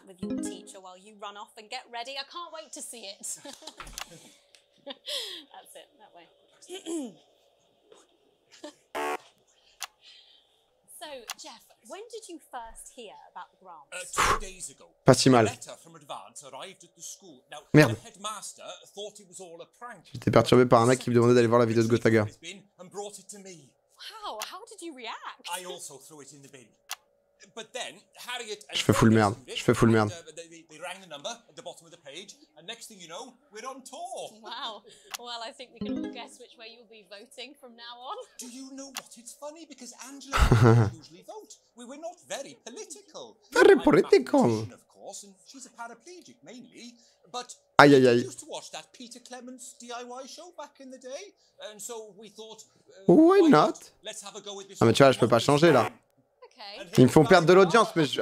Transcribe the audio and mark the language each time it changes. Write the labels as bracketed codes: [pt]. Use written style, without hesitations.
[en] of your teacher while you run off and get ready. I can't wait to see it. That's it, that way. So, Jeff, when did you first hear about the grant? 2 days ago. [fr] Pas si mal. [en] A letter from Advance arrived at the school. Now, merde. The headmaster thought it was all a prank. [fr] J'étais perturbé par un mec qui me demandait d'aller voir la vidéo de Gotaga. [en] And brought it to me. Wow, how did you react? I also threw it in the bin. But then, Harriet [fr] and... Je fais full merde. [en] They rang the number at the bottom of the page, and next thing you know, we're on tour. Wow. Well, I think we can all guess which way you'll be voting from now on. Do you know what? It's funny, because Angela doesn't usually vote. We were not very political. Very political. Of course, and she's a paraplegic, mainly, but... [fr] Aïe, aïe, aïe. [en] We used to watch that Peter Clements DIY show back in the day, and so we thought... why not? Let's have a go with this. [fr] Ah, mais tu vois, je peux pas changer, là. [en] Okay. [fr] Ils me font perdre de l'audience, mais je...